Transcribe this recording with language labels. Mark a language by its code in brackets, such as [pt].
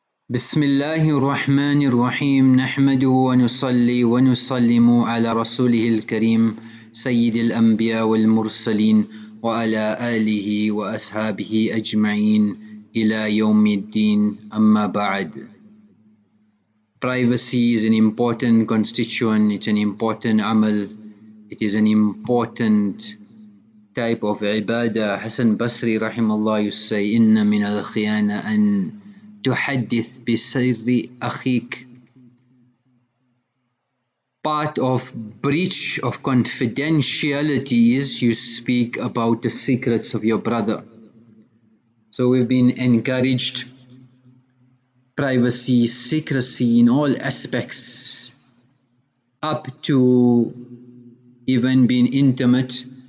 [ar] بسم الله الرحمن الرحيم نحمده ونصلي ونسلم على رسوله الكريم سيد الأنبياء والمرسلين وعلى آله وأصحابه أجمعين إلى يوم الدين أما بعد. [en] Privacy is an important constituent, it's an important amal, it is an important type of ibadah. Hasan Basri rahimahullah used to say, [ar] إِنَّ مِنَ الْخِيَانَ أَنْ تُحَدِّثْ بِسِرِّ أَخِيكَ. [en] Part of breach of confidentiality is you speak about the secrets of your brother. So we've been encouraged privacy, secrecy in all aspects, up to even being intimate.